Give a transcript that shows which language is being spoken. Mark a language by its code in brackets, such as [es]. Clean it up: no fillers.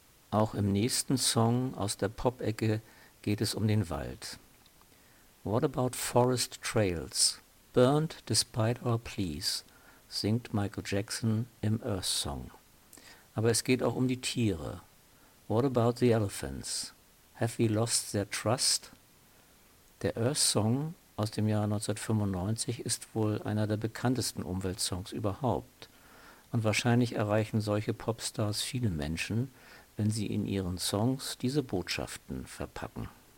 [de] Auch im nächsten Song aus der Pop-Ecke geht es um den Wald. [en] What about forest trails? Burned despite our pleas, [de] singt Michael Jackson im Earth Song. Aber es geht auch um die Tiere. [en] What about the elephants? Have we lost their trust? [de] Der Earth Song aus dem Jahr 1995 ist wohl einer der bekanntesten Umweltsongs überhaupt. Und wahrscheinlich erreichen solche Popstars viele Menschen, wenn sie in ihren Songs diese Botschaften verpacken.